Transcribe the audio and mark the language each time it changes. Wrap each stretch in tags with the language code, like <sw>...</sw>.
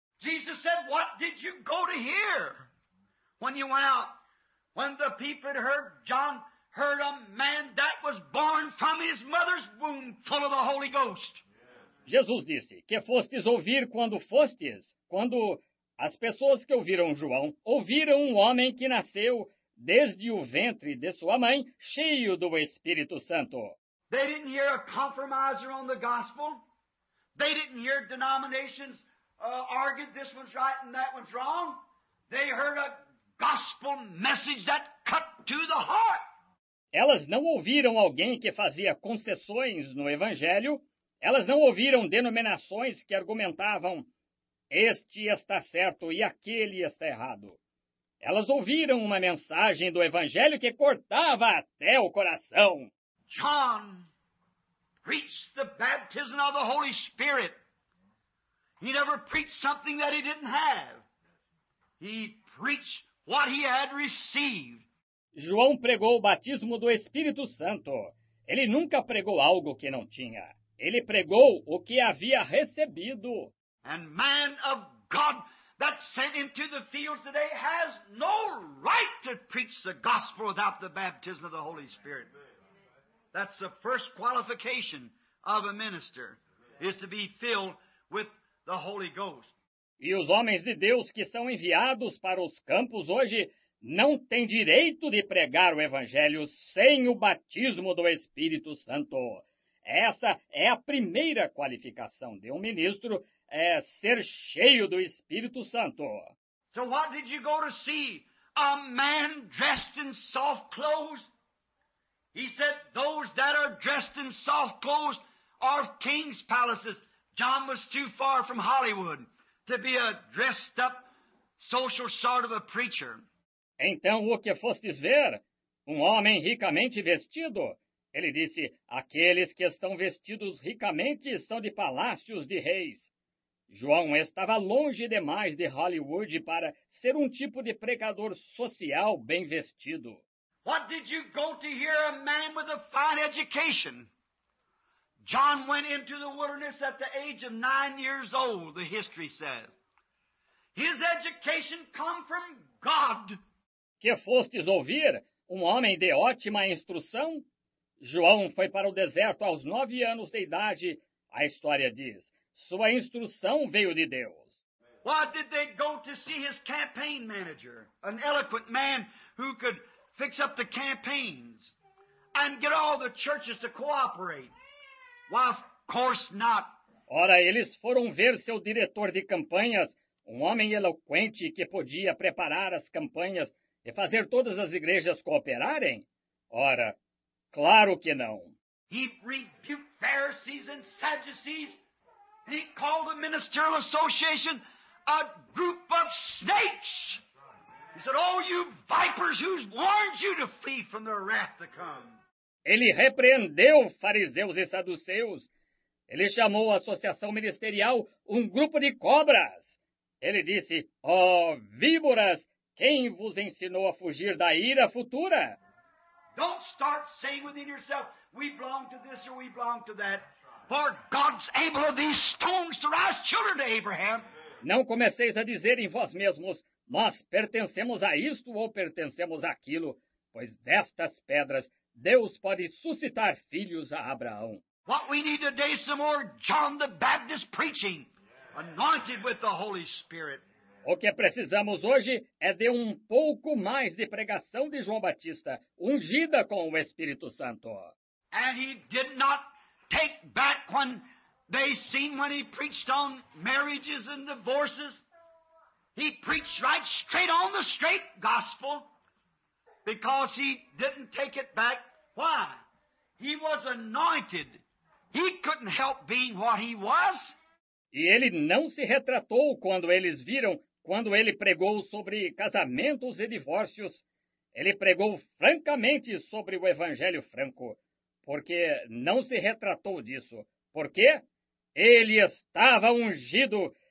<en>Jesus said, what did you go to hear when you went out? When the people had heard John, heard a man that was born from his mother's womb full of the Holy Ghost.</en> <pt>Jesus disse, que fostes ouvir quando fostes? Quando as pessoas que ouviram João, ouviram um homem que nasceu desde o ventre de sua mãe, cheio do Espírito Santo.</pt> <en>They didn't hear a compromiser on the gospel. They didn't hear denominations argued this one's right and that one's wrong. They heard a gospel message that cut to the heart.</en> <pt>Elas não ouviram alguém que fazia concessões no Evangelho. Elas não ouviram denominações que argumentavam este está certo e aquele está errado. Elas ouviram uma mensagem do Evangelho que cortava até o coração.</pt> <en>John preached the baptism of the Holy Spirit. He never preached something that he didn't have. He preached what he had received.</en> <pt>João pregou o batismo do Espírito Santo. Ele nunca pregou algo que não tinha. Ele pregou o que havia recebido.</pt> <en>And man of God that sent him to the fields today has no right to preach the gospel without the baptism of the Holy Spirit. That's the first qualification of a minister, is to be filled with the Holy Ghost.</en> <pt>E os homens de Deus que são enviados para os campos hoje não têm direito de pregar o Evangelho sem o batismo do Espírito Santo. Essa é a primeira qualificação de um ministro, é ser cheio do Espírito Santo.</pt> <en>So what did you go to see? A man dressed in soft clothes? He said, those that are dressed in soft clothes are king's palaces. John was too far from Hollywood to be a dressed up social sort of a preacher.</en> <pt>Então, o que fostes ver? Um homem ricamente vestido? Ele disse, aqueles que estão vestidos ricamente são de palácios de reis. João estava longe demais de Hollywood para ser um tipo de pregador social bem vestido.</pt> <en>What did you go to hear a man with a fine education? John went into the wilderness at the age of 9 years old, the history says. His education come from God.</en> <pt>Que fostes ouvir? Um homem de ótima instrução? João foi para o deserto aos 9 anos de idade, a história diz. Sua instrução veio de Deus.</pt> <en>Why did they go to see his campaign manager, an eloquent man who could fix up the campaigns and get all the churches to cooperate? Why, of course not.</en> <pt>Ora, eles foram ver seu diretor de campanhas, um homem eloquente que podia preparar as campanhas e fazer todas as igrejas cooperarem? Ora, claro que não.</pt> <en>He rebuked Pharisees and Sadducees. And he called the ministerial association a group of snakes. He said, oh, you vipers, who's warned you to flee from the wrath to come?</en> <pt>Ele repreendeu fariseus e saduceus. Ele chamou a associação ministerial um grupo de cobras. Ele disse, oh, víboras, quem vos ensinou a fugir da ira futura?</pt> <en>Don't start saying within yourself, we belong to this or we belong to that. For God's able of these stones to rise children to Abraham.</en> <pt>Não comeceis a dizer em vós mesmos, nós pertencemos a isto ou pertencemos àquilo, pois destas pedras Deus pode suscitar filhos a Abraão.</pt> <en>What we need today is some more John the Baptist preaching, anointed with the Holy Spirit.</en> <pt>O que precisamos hoje é de um pouco mais de pregação de João Batista, ungida com o Espírito Santo.</pt> <en>And he did not take back when they seen when he preached on marriages and divorces. He preached right straight on the straight gospel because he didn't take it back. Why? He was anointed. He couldn't help being what he was.</en> <pt>E ele não se retratou quando eles viram, quando ele pregou sobre casamentos e divórcios. Ele pregou francamente sobre o Evangelho franco. Porque não se retratou disso. Porque ele estava ungido.</pt>